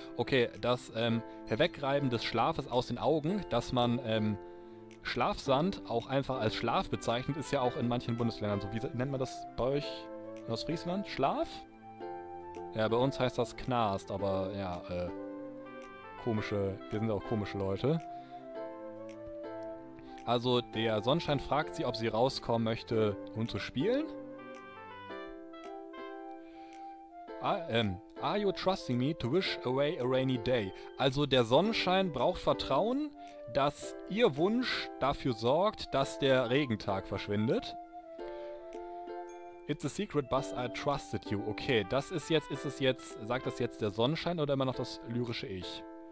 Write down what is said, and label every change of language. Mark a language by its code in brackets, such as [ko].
[de] Okay, das Herwegreiben des Schlafes aus den Augen, dass man Schlafsand auch einfach als Schlaf bezeichnet, ist ja auch in manchen Bundesländern so. Wie nennt man das bei euch in Ostfriesland? Schlaf? Ja, bei uns heißt das Knast, aber ja, komische, wir sind auch komische Leute. Also, der Sonnenschein fragt sie, ob sie rauskommen möchte, um zu spielen. [en] Are you trusting me to wish away a rainy day? [de] Also, der Sonnenschein braucht Vertrauen, dass ihr Wunsch dafür sorgt, dass der Regentag verschwindet. [en] It's a secret, but I trusted you. [de] Okay, das ist jetzt, sagt das jetzt der Sonnenschein oder immer noch das lyrische Ich?